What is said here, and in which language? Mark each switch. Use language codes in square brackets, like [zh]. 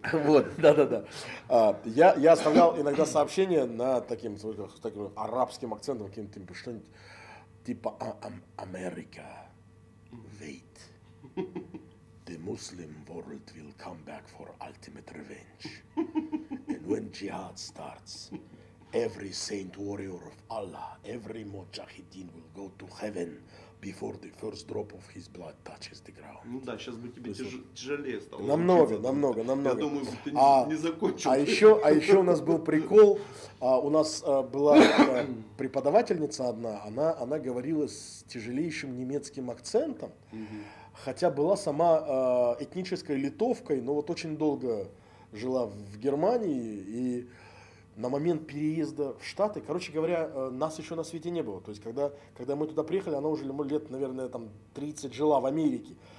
[ru] Вот, да-да-да. Я оставлял иногда сообщения на таким арабским акцентом, каким-то что-нибудь типа [en] «America, wait, the Muslim world will come back for ultimate revenge. And when jihad starts, every saint warrior of Allah, every mujahideen will go to heaven before the first drop of his blood touches the ground». [ru] Ну да, сейчас бы тебе тяжелее стало. Намного. Я думаю, ты не закончил. А еще у нас был прикол. У нас была преподавательница одна, она говорила с тяжелейшим немецким акцентом, хотя была сама этнической литовкой, но вот очень долго жила в Германии, и на момент переезда в Штаты, короче говоря, нас еще на свете не было. То есть, когда мы туда приехали, она уже лет, наверное, там 30 жила в Америке.